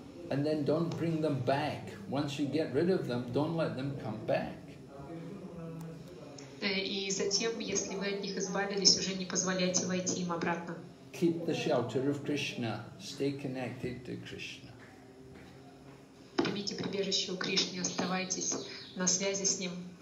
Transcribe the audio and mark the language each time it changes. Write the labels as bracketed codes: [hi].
[en] And then don't bring them back. Once you get rid of them, don't let them come back. [ru] И затем, если вы от них избавились, уже не позволяйте войти им обратно. [en] Keep the shelter of Krishna. Stay connected to Krishna. [ru] Примите прибежище у Кришны, оставайтесь на связи с Ним.